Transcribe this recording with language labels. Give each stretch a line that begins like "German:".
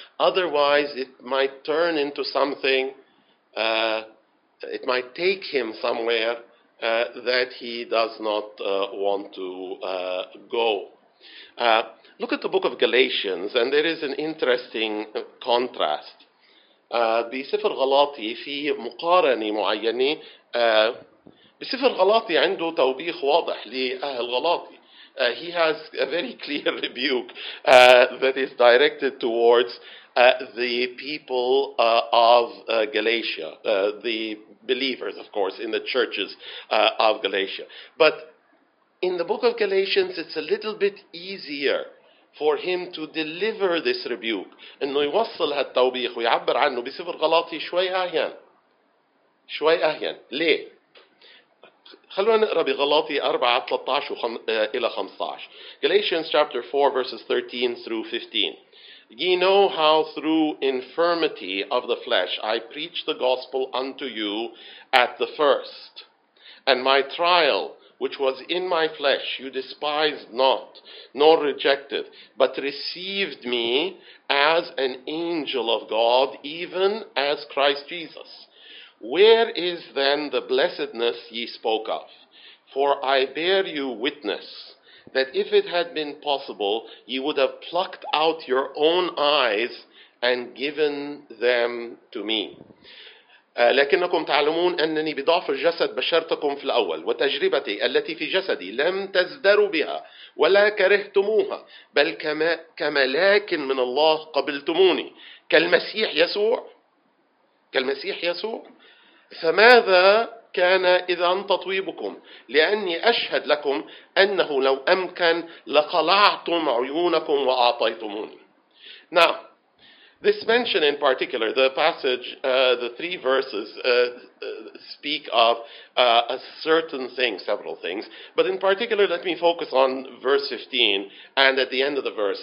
English: Otherwise, it might turn into something, it might take him somewhere that he does not want to go. Look at the book of Galatians, and there is an interesting contrast.
Arabic: بسفر غلاطي في مقارنة معينة بسفر غلاطي عنده توبيخ واضح لأهل غلاطي.
English: He has a very clear rebuke that is directed towards the people of Galatia, the believers, of course, in the churches of Galatia. But in the book of Galatians, it's a little bit easier for him to deliver this rebuke.
Arabic: إنه يوصل هالتوبيخ ويعبر عنه بسفر غلاطي شوي أهين. شوي أهين. ليه؟ خلونا نقرأ بغلاطي 4:13-15.
English: Galatians chapter 4 verses 13 through 15. Ye know how through infirmity of the flesh I preached the gospel unto you at the first. And my trial, which was in my flesh, you despised not, nor rejected, but received me as an angel of God, even as Christ Jesus. Where is then the blessedness ye spoke of? For I bear you witness that if it had been possible, ye would have plucked out your own eyes and given them to me.
Arabic: لكنكم تعلمون أنني بضعفر جسد بشرتكم في الأول وتجربتي التي في جسدي لم تزدروا بها ولا كرهتموها بل كملاكن من الله قبلتموني كالمسيح يسوع فماذا كان إذن تطويبكم لأني أشهد لكم أنه لو أمكن لقلعتم عيونكم وأعطيتموني. نعم.
English: This mention in particular, the passage, the three verses speak of a certain thing, several things. But in particular, let me focus on verse 15 and at the end of the verse.